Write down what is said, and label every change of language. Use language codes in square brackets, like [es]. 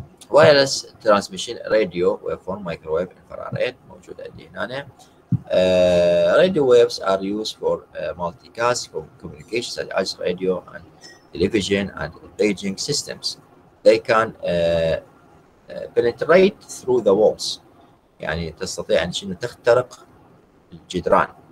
[en] wireless transmission radio ويفون microwave infrared [ar] موجود عندي هنا. [en] Radio waves are used for multicast for communication such as radio and television and paging systems. They can penetrate through the walls. [ar] يعني تستطيع أن شنو تخترق الجدران.